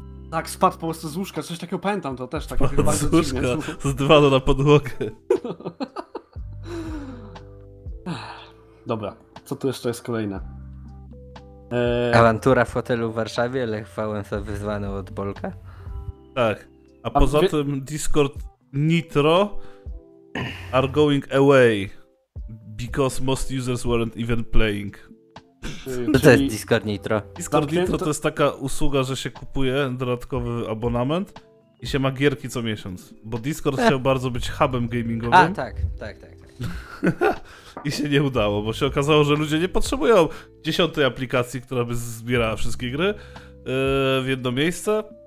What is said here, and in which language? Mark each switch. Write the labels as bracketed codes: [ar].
[pl] Tak, spadł po prostu z łóżka. Coś takiego pamiętam, to też takie bardzo dziwne. Z łóżka, z dywanu na podłogę. Dobra, co tu jeszcze jest kolejne? Awantura w hotelu w Warszawie, Lech Wałęsa wyzwany od Bolka? Tak. [en] A poza tym Discord Nitro are going away because most users weren't even playing. [pl] Czyli... To jest Discord Nitro. Discord Nitro to jest taka usługa, że się kupuje dodatkowy abonament i się ma gierki co miesiąc. Bo Discord chciał bardzo być hubem gamingowym. A tak. I się nie udało, bo się okazało, że ludzie nie potrzebują 10 aplikacji, która by zbierała wszystkie gry w jedno miejsce.